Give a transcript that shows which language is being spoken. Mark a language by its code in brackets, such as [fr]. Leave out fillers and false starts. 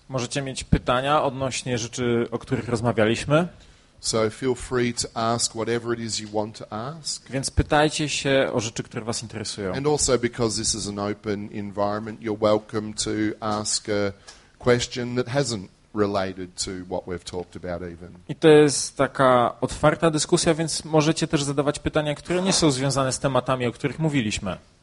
[pl] Możecie mieć pytania odnośnie rzeczy, o których rozmawialiśmy. [en] So feel free to ask whatever it is you want to ask. [pl] Więc pytajcie się o rzeczy, które was interesują. [en] And also because this is an open environment, you're welcome to ask a question that hasn't related to what we've talked about even. [pl] I to jest taka otwarta dyskusja, więc możecie też zadawać pytania, które nie są związane z tematami, o których mówiliśmy.